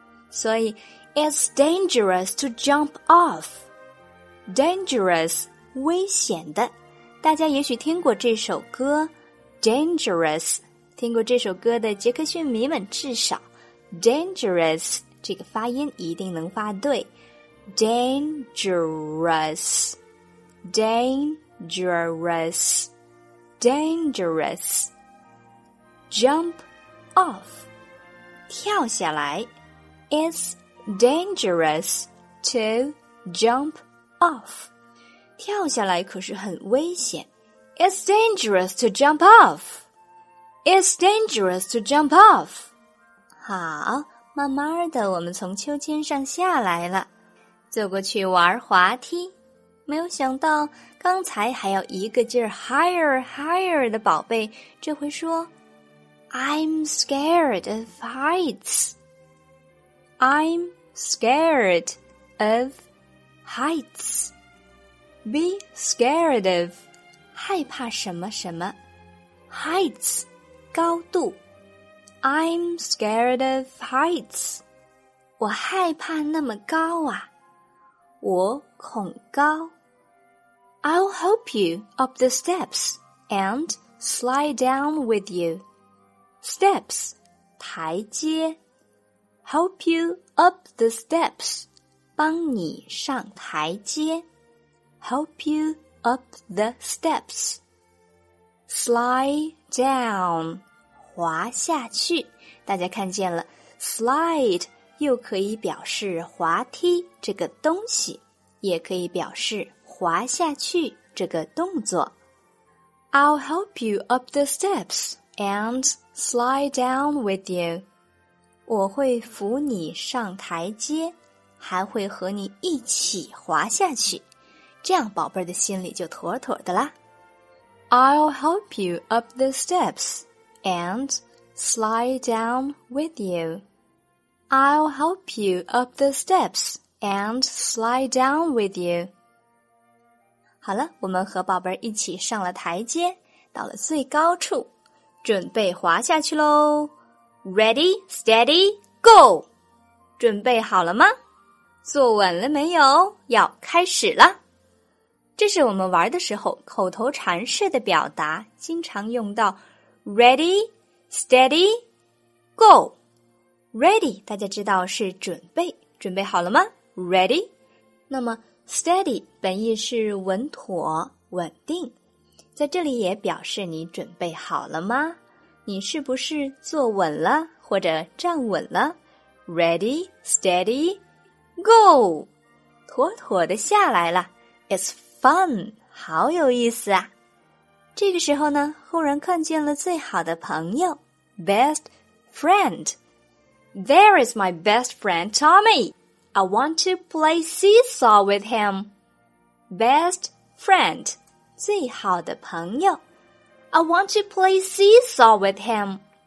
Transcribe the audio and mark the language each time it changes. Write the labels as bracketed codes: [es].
[zh] 所以 [en] It's dangerous to jump off. [zh] Dangerous,危险的，大家也许听过这首歌 Dangerous, 听过这首歌的杰克逊迷们至少 Dangerous, 这个发音一定能发对 [en] Dangerous, Dangerous, Dangerous. Jump off, [zh] 跳下来。 [en] It's dangerous to jump off. [zh] 跳下来可是很危险。 [en] It's dangerous to jump off. It's dangerous to jump off. [zh] 好，慢慢的我们从秋千上下来了，走过去玩滑梯。没有想到刚才还要一个劲儿 [en] higher higher [zh] 的宝贝这回说 [en] I'm scared of heights. I'm scared of heights. Be scared of [zh] 害怕什么什么 [en] heights [zh] 高度 [en] I'm scared of heights. [zh] 我害怕那么高啊我恐高 [en] I'll help you up the steps and slide down with you. Steps, [zh] 台阶 [en] Help you up the steps, [zh] 帮你上台阶 [en] Help you up the steps. Slide down, [zh] 滑下去。大家看见了 ,slide 又可以表示滑梯这个东西。也可以表示滑下去这个动作。 [en] I'll help you up the steps and slide down with you. [zh] 我会扶你上台阶，还会和你一起滑下去，这样宝贝的心里就妥妥的啦。 [en] I'll help you up the steps and slide down with you. I'll help you up the steps. And slide down with you. [zh] 好了，我们和宝贝一起上了台阶，到了最高处，准备滑下去咯。 Ready, steady, go! 准备好了吗？坐稳了没有？要开始了。这是我们玩的时候，口头禅式的表达，经常用到 [en] Ready, steady, go! Ready, [zh] 大家知道是准备，准备好了吗？ [en] Ready? [zh] 那么 [en] steady [zh] 本意是稳妥、稳定，在这里也表示你准备好了吗？你是不是坐稳了或者站稳了 ？ [en] Ready, steady, go! [zh] 妥妥的下来了。 [en] It's fun, [zh] 好有意思啊！这个时候呢，忽然看见了最好的朋友 ， [en] best friend. There is my best friend Tommy. I want to play seesaw with him. Best friend, [zh] 最好的朋友。 [en] I want to play seesaw with him.